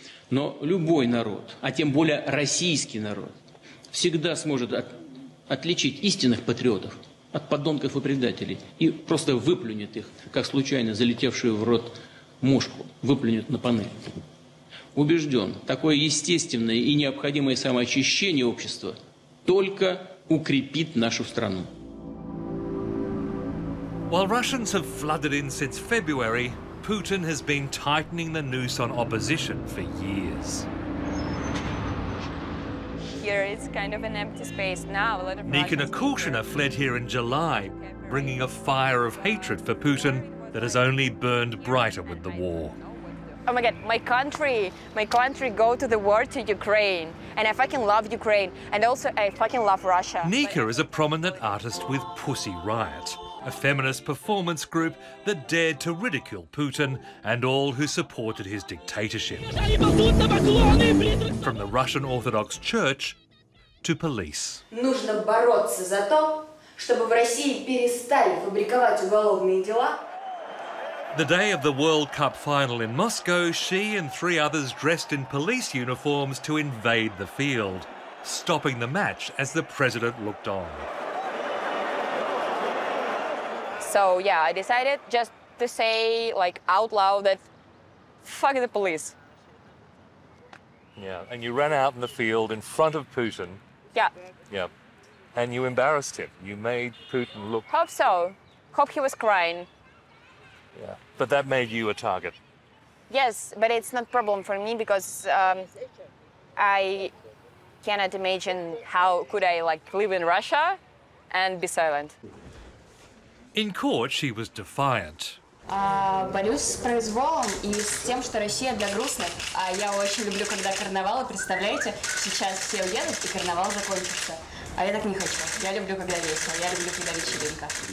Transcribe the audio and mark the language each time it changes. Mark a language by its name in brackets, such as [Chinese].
[Russian] Но любой народ, а тем более российский народ, всегда сможет отличить истинных патриотов от подонков и предателей и просто выплюнет их, как случайно залетевшую в рот мушку, выплюнет на панель. Убежден, такое естественное и необходимое самоочищение общества только укрепит нашу страну. [English] While Russians have flooded in since February, Putin has been tightening the noose on opposition for years. Here is kind of an empty space now. Nika Nikulshina fled here in July, bringing a fire of hatred for Putin that has only burned brighter with the war. Oh my God, my country go to the war to Ukraine, and I fucking love Ukraine, and also I fucking love Russia. Nika is a prominent artist with Pussy Riot, a feminist performance group that dared to ridicule Putin and all who supported his dictatorship. From the Russian Orthodox Church to police. [Russian] Нужно бороться за то, чтобы в России перестали фабриковать уголовные дела. [English] The day of the World Cup final in Moscow, she and three others dressed in police uniforms to invade the field, stopping the match as the president looked on. So, yeah, I decided just to say, like, out loud that fuck the police. Yeah, and you ran out in the field in front of Putin. Yeah. Yeah. And you embarrassed him. You made Putin look... Hope so. Hope he was crying. Yeah, but that made you a target. Yes, but it's not a problem for me because I cannot imagine how could I like live in Russia and be silent. In court, she was defiant. [Russian] Борюсь с произволом и с тем, что Россия для грустных. А я очень люблю, когда карнавалы. Представляете, сейчас все уедут и карнавал закончится. А я так не хочу. Я люблю, когда весело. Я люблю, когда вечеринка.